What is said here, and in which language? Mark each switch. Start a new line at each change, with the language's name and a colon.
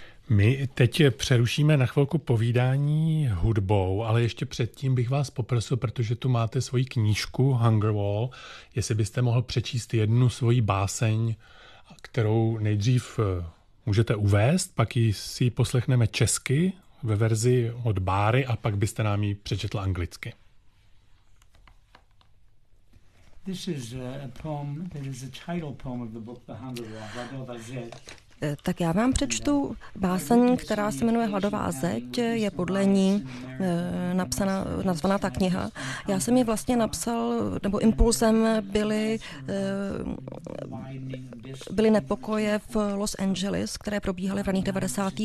Czech: My teď přerušíme na chvilku povídání hudbou, ale ještě předtím bych vás poprosil, protože tu máte svoji knížku Hunger Wall, jestli byste mohl přečíst jednu svoji báseň, kterou nejdřív můžete uvést, pak si ji poslechneme česky ve verzi od Báry a pak byste nám ji přečetl anglicky.
English: This is a poem that is a title poem of the book The Hunger Wall by Bill Bazet.
Czech: Tak já vám přečtu báseň, která se jmenuje Hladová zeď, je podle ní napsaná, nazvaná ta kniha. Já jsem ji vlastně napsal, nebo impulzem byly nepokoje v Los Angeles, které probíhaly v raných 90.